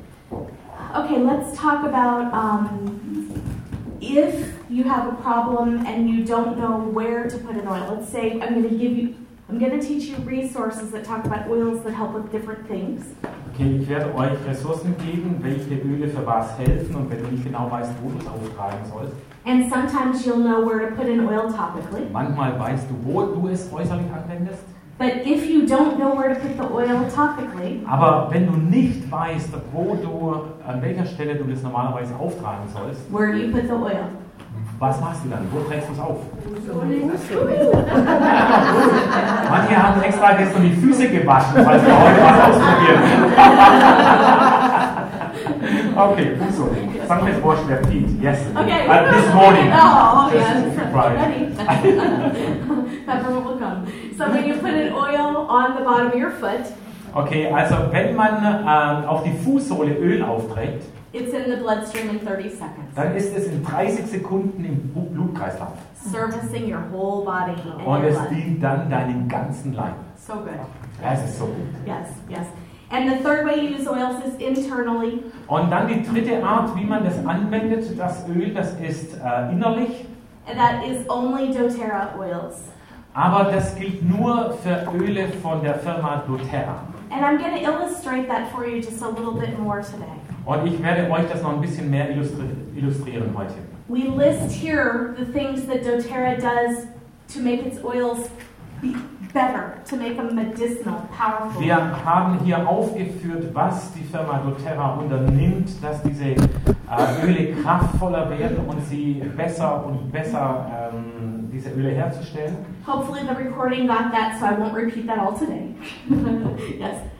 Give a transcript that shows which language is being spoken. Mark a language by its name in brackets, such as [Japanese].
[English] Okay, let's talk about if you have a problem and you don't know where to put an oil. Let's say I'm going to teach you resources that talk about oils that help with different things. [German] Okay, ich werde euch Ressourcen geben, welche Öle für was helfen und wenn du nicht genau weißt, wo du es auftragen sollst. [English] And sometimes you'll know where to put an oil topically. [German] Manchmal weißt du, wo du es äußerlich anwendest. [English] But if you don't know where to put the oil topically, [German] aber wenn du nicht weißt, wo du an welcher Stelle du das normalerweise auftragen sollst, [English] where do you put the oil? [German] Was machst du dann? Wo trägst du es auf? [English] So, [German] manche haben extra gestern die Füße gewaschen, falls wir heute was ausprobieren. Okay, Fußsohle. Yes. Sagen wir waschen der Feet. Yes. [English] Okay. This morning. Oh, okay. Just ready. Pepper will come. So when you put an oil on the bottom of your foot. [German] Okay, also wenn man auf die Fußsohle Öl aufträgt. [English] It's in the bloodstream in 30 seconds. [German] Dann ist es in 30 Sekunden im Blutkreislauf. [English] Servicing your whole body. [German] Und es dient dann deinem ganzen Leib. [English] So good. [German] Es ist so gut. [English] Yes, yes. And the third way you use oils is internally. [German] Und dann die dritte Art, wie man das anwendet, das Öl, das ist innerlich. [English] And that is only doTERRA oils. [German] Aber das gilt nur für Öle von der Firma doTERRA. [English] And I'm going to illustrate that for you just a little bit more today. [German] Und ich werde euch das noch ein bisschen mehr illustrieren heute. [English] We list here the things that doTERRA does to make its oils better, to make them medicinal, powerful. [German] Wir haben hier aufgeführt, was die Firma doTERRA unternimmt, dass diese Öle kraftvoller werden und sie besser und besser diese Öle herzustellen. [English] Hopefully the recording got that, so I won't repeat that all today. Yes.